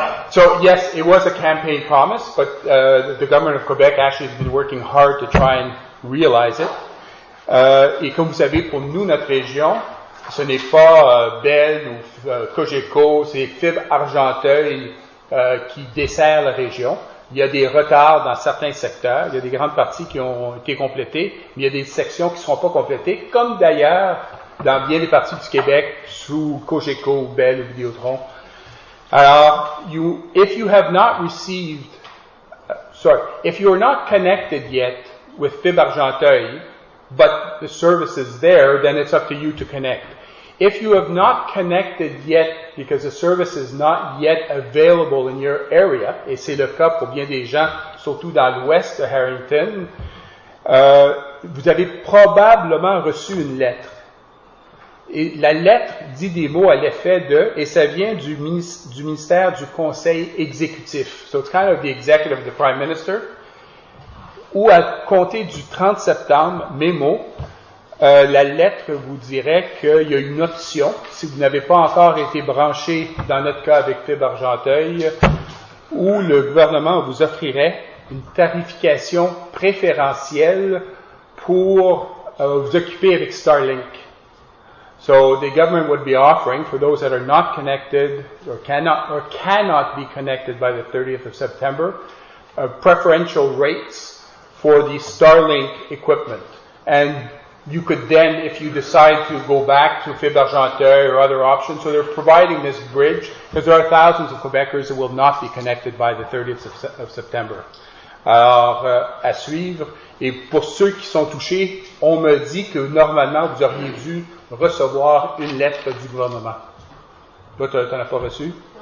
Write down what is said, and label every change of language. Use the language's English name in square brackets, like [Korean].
[English] So, yes, it was a campaign promise, but the government of Quebec actually has been working hard to try and realize it. [French] Et comme vous savez, pour nous, notre région, ce n'est pas Bell ou Cogeco, c'est Fibre Argenteuil qui dessert la région. Il y a des retards dans certains secteurs. Il y a des grandes parties qui ont été complétées, mais il y a des sections qui ne seront pas complétées, comme d'ailleurs dans bien des parties du Québec sous Cogeco ou Bell ou Vidéotron. [English] Alors, if you are not connected yet with Fibre Argenteuil, but the service is there, then it's up to you to connect. If you have not connected yet because the service is not yet available in your area, [French] et c'est le cas pour bien des gens, surtout dans l'ouest de Harrington, vous avez probablement reçu une lettre. Et la lettre dit des mots à l'effet de, et ça vient du ministère du conseil exécutif. [English] So it's kind of the executive, the prime minister. [French] Ou à compter du 30 septembre, mes mots, la lettre vous dirait qu'il y a une option, si vous n'avez pas encore été branché, dans notre cas avec Fibre Argenteuil, où le gouvernement vous offrirait une tarification préférentielle pour vous occuper avec Starlink. [English] So the government would be offering, for those that are not connected or cannot be connected by the 30th of September, preferential rates for the Starlink equipment. And you could then, if you decide to go back to Fibre Argenteuil or other options, so they're providing this bridge, because there are thousands of Quebecers that will not be connected by the 30th of September. [French] Alors, à suivre. Et pour ceux qui sont touchés, on me dit que normalement, vous auriez dû recevoir une lettre du gouvernement. Toi, tu n'en as pas reçu?